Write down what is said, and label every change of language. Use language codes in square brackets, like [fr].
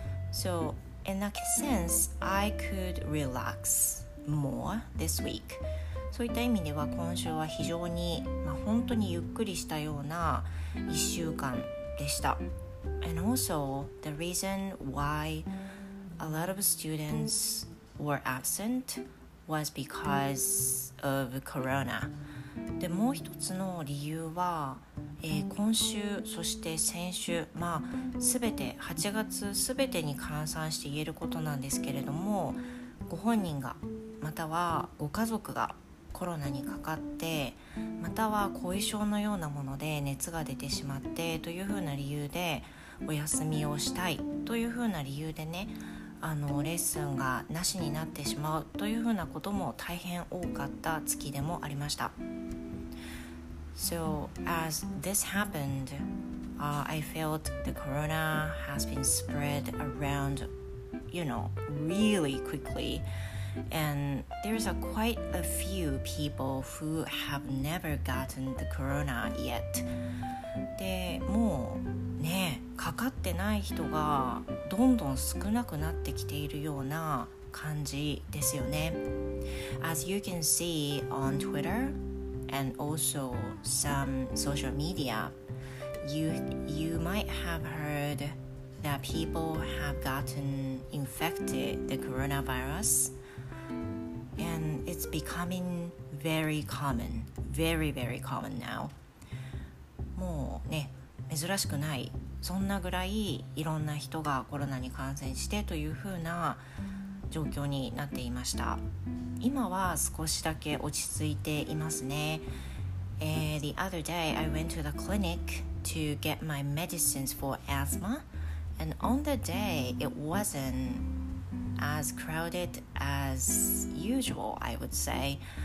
[en] So in that sense, I could relax more this week. [ja] そういった意味では今週は非常に、まあ、本当にゆっくりしたような一週間でした。 [en] And also, the reason why a lot of students were absent was because of corona. [ja] で、もう一つの理由は、今週、そして先週、まあ、すべて、8月すべてに換算して言えることなんですけれども、ご本人が、またはご家族がコロナにかかって、または後遺症のようなもので熱が出てしまってというふうな理由でお休みをしたいというふうな理由でね、レッスンがなしになってしまうというふうなことも大変多かった月でもありました。 [en] So as this happened, I felt the corona has been spread around, really quickly. And there's quite a few people who have never gotten the corona yet. [ja] で、もうね、かかってない人がどんどん少なくなってきているような感じですよね。 [en] As you can see on Twitter and also some social media, you might have heard that people have gotten infected the coronavirus. And it's becoming very common, very, very common now. [ja] もうね、珍しくない。そんなぐらいいろんな人がコロナに感染してというふうな状況になっていました。今は少しだけ落ち着いていますね。 [en] The other day, I went to the clinic to get my medicines for asthma. And on the day, it wasn't as crowded as usual, I would say.